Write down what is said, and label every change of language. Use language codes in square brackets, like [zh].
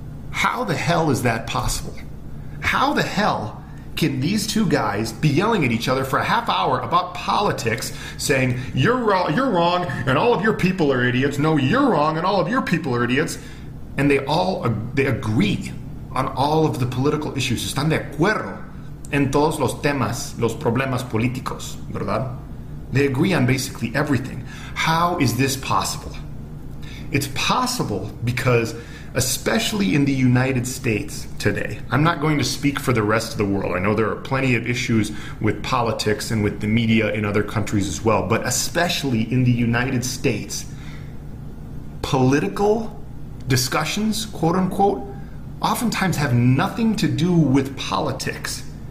[en] How the hell is that possible? How the hell can these two guys be yelling at each other for a half hour about politics, saying, you're wrong, and all of your people are idiots. No, you're wrong, and all of your people are idiots. And they all they agree on all of the political issues. [es] Están de acuerdo en todos los temas, los problemas políticos, ¿verdad? [en] They agree on basically everything. How is this possible? It's possible because, especially in the United States today, I'm not going to speak for the rest of the world. I know there are plenty of issues with politics and with the media in other countries as well, but especially in the United States, political discussions, quote unquote, oftentimes have nothing to do with politics.